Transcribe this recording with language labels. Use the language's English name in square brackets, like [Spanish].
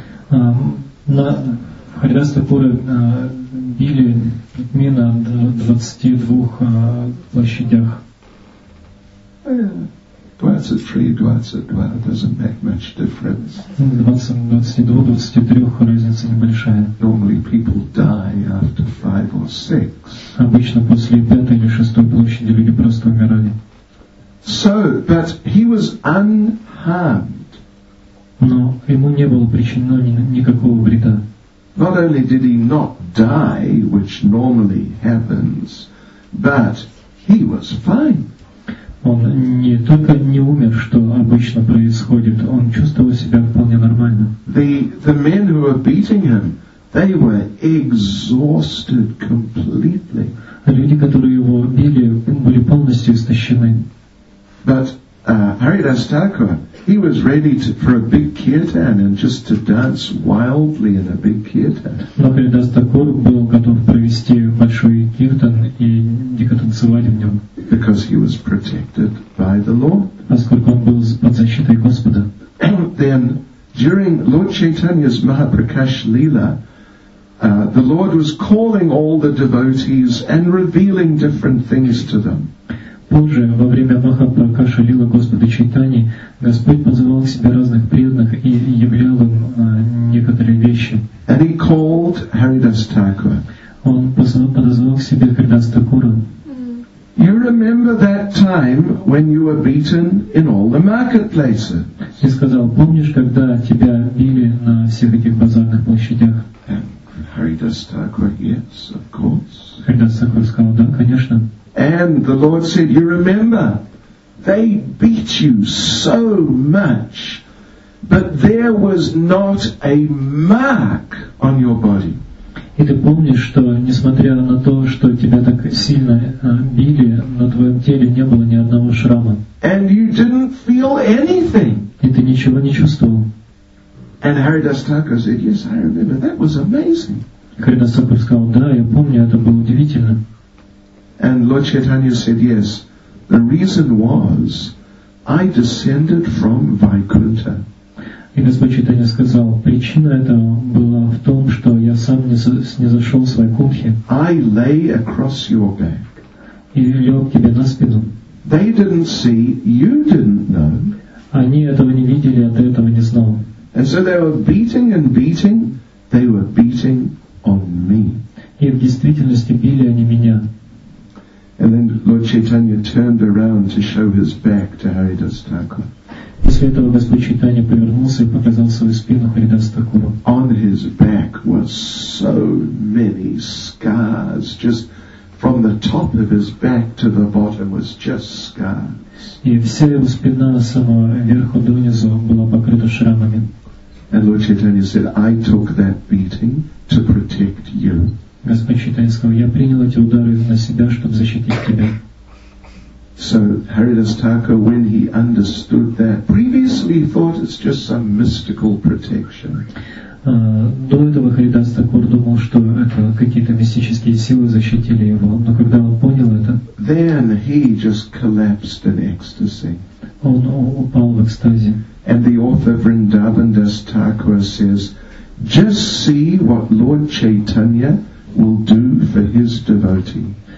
[Russian] На Харидас Такура били людьми на 22 площадях. [English] 23, 22 doesn't make much difference. [Russian] 22, 23 разница небольшая. [English] Normally people die after 5 or 6. [Russian] Обычно после 5 или 6 площади люди просто умирали. [English] So, but he was unharmed. [Russian] Но ему не было причинено никакого вреда. [English] Not only did he not die, which normally happens, but he was fine. [Russian] Он не только не умер, что обычно происходит, он чувствовал себя вполне нормально. [English] The men who were beating him, they were exhausted completely. [Russian] Люди, которые его били, были полностью истощены. [English] But Haridas Thakur, he was ready for a big kirtan and just to dance wildly in a big kirtan. [Russian] Но Haridas Thakur был готов провести большой киртан и дико танцевать в нем. [English] Because he was protected by the Lord. [Russian] Поскольку он был под защитой Господа. [English] Then, during Lord Chaitanya's Mahaprakash Lila, the Lord was calling all the devotees and revealing different things to them. [Russian] Позже, во время Махапракаша Лилы Господа Чайтани, Господь позывал к себе разных преданных и являл им некоторые вещи. [English] And he called Haridas Thakur. [Russian] Он подозвал к себе Харидас Такура. [English] You remember that time when you were beaten in all the marketplaces? [Russian] И сказал, помнишь, когда тебя били на всех этих базарных площадях? [English] Haridas Thakur, yes, of course. [Russian] Харидас Такур сказал, да, конечно. [English] And the Lord said, you remember, they beat you so much, but there was not a mark on your body. [Russian] И ты помнишь, что несмотря на то, что тебя так сильно били, на твоем теле не было ни одного шрама. [English] And you didn't feel anything. [Russian] И ты ничего не чувствовал. [English] And Haridas Thakur said, yes, I remember. That was amazing. [Russian] Haridas Thakur сказал, да, я помню, это было удивительно. [English] And Lord Chaitanya said, yes, the reason was, I descended from Vaikuntha. [Russian] И Господь Чайтанья сказал, причина этого была в том, что я сам не зашел в Вайкунтху. [English] I lay across your back. [Russian] И лег тебе на спину. [English] They didn't see, you didn't know. [Russian] Они этого не видели, а ты этого не знал. [English] And so they were beating and beating, they were beating on me. [Russian] И в действительности били они меня. [English] And then Lord Chaitanya turned around to show his back to Haridas Thakur. [Russian] После этого Господь Чайтанья повернулся и показал свою спину Харидас Такуру. [English] On his back was so many scars, just from the top of his back to the bottom was just scars. [Russian] И вся его спина с самого верху до низу была покрыта шрамами. [English] And Lord Chaitanya said, I took that beating to protect you. [Russian] Господь Чайтанья сказал, я принял эти удары на себя, чтобы защитить тебя. [English] So Haridas Thakur, when he understood that, previously thought it's just some mystical protection. [Russian] До этого Харидас Такур думал, что это какие-то мистические силы защитили его. Но когда он понял это, [English] then he just collapsed in ecstasy. [Russian] Он упал в экстазе. [English] And the author Vrindavan Das Thakur says, just see what Lord Chaitanya will do for his devotee.